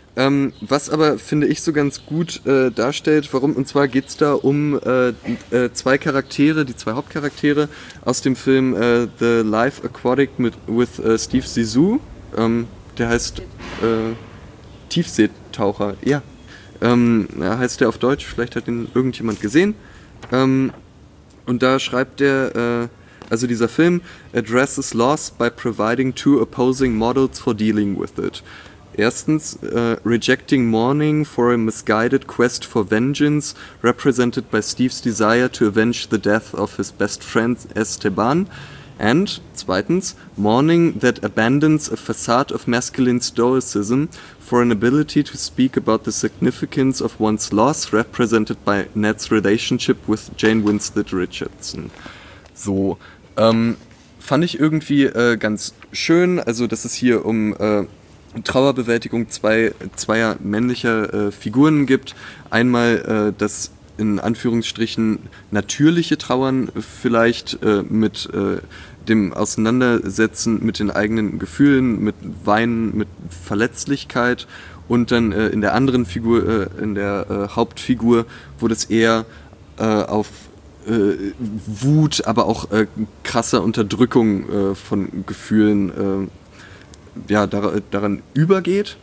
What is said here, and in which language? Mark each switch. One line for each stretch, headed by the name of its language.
German: Was aber, finde ich, so ganz gut darstellt, warum, und zwar geht es da um zwei Charaktere, die zwei Hauptcharaktere aus dem Film The Life Aquatic with Steve Zissou. Der heißt Tiefseetaucher, ja. Heißt der auf Deutsch, vielleicht hat ihn irgendjemand gesehen. Und da schreibt der, also dieser Film,
English: addresses loss by providing two opposing models for dealing with it.
German: Erstens,
English: rejecting mourning for a misguided quest for vengeance, represented by Steve's desire to avenge the death of his best friend Esteban. And
German: zweitens,
English: mourning that abandons a facade of masculine stoicism for an ability to speak about the significance of one's loss, represented by Ned's relationship with Jane Winslet Richardson.
German: So, fand ich irgendwie ganz schön, also dass es hier um Trauerbewältigung zweier männlicher Figuren gibt. Einmal das in Anführungsstrichen natürliche Trauern vielleicht mit dem Auseinandersetzen mit den eigenen Gefühlen, mit Weinen, mit Verletzlichkeit und dann in der anderen Figur, in der Hauptfigur, wo das eher auf Wut, aber auch krasser Unterdrückung von Gefühlen ja, daran übergeht.